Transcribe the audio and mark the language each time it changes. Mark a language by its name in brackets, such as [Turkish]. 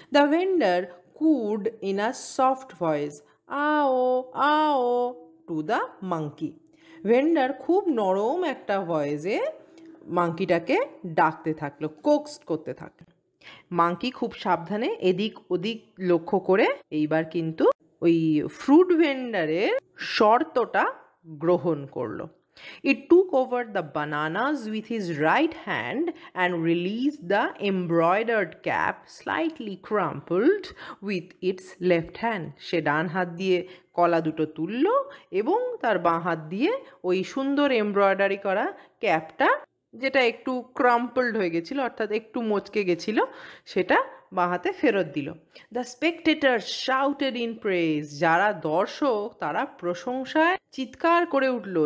[English] The vendor could in a soft voice আও আও to the monkey. [Bangla] Vendor খুব নরম একটা ভয়েসে মাঙ্কিটাকে ডাকতে থাকলো, কোক্সড করতে থাকলো। মাঙ্কি খুব সাবধানে এদিক ওদিক লক্ষ্য করে এইবার কিন্তু ওই ফ্রুট ভেন্ডারের শর্তটা গ্রহণ করলো। [English] It took over the bananas with his right hand and released the embroidered cap slightly crumpled with its left hand. [Bangla] সে ডান হাত দিয়ে কলা দুটো তুললো এবং তার বাঁ হাত দিয়ে ওই সুন্দর এমব্রয়ডারি করা ক্যাপটা, যেটা একটু ক্রাম্পল্ড হয়ে গেছিলো অর্থাৎ একটু মচকে গেছিলো, সেটা বাঁ হাতে ফেরত দিল। [English] the spectator shouted in praise, [Bangla] যারা দর্শক তারা প্রশংসায় চিৎকার করে উঠল।